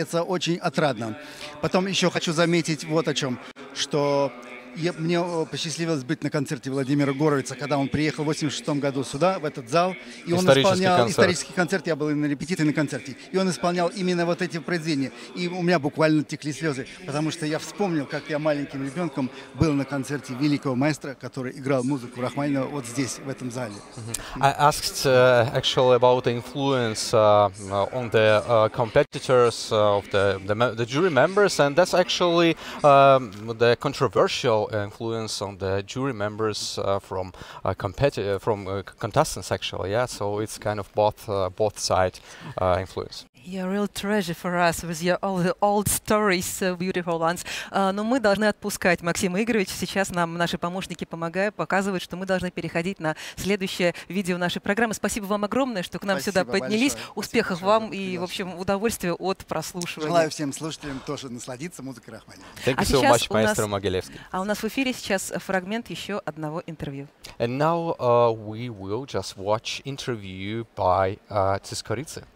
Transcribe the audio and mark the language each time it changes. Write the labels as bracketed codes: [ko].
[ru] Это очень отрадно. Потом еще хочу заметить вот о чем, что мне посчастливилось быть на концерте Владимира Горовица, когда он приехал в 86 году сюда, в этот зал. И он исполнял концерт. Исторический концерт. Я был и на репетиции, и на концерте. И он исполнял именно вот эти произведения. И у меня буквально текли слезы, потому что я вспомнил, как я маленьким ребенком был на концерте великого маэстро, который играл музыку Рахманинова вот здесь, в этом зале. [en] I asked actually about the influence on the competitors of the jury members, and that's actually the controversial influence on the jury members from contestants actually, yeah, so it's kind of both sides influence. You're a real treasure for us with your all the old stories, so beautiful ones. [ru] Но мы должны отпускать Максима Игоревича. Сейчас нам наши помощники помогают, показывают, что мы должны переходить на следующее видео нашей программы. Спасибо вам огромное, что к нам сюда поднялись. Большое. Успехов Спасибо вам и, в общем, удовольствия от прослушивания. Желаю всем слушателям тоже насладиться музыкой Рахманинова. [en] Thank you so much, маэстро Могилевский. [ru] А у нас в эфире сейчас фрагмент еще одного интервью. [en] And now we will just watch interview by Tsiskoritsyn.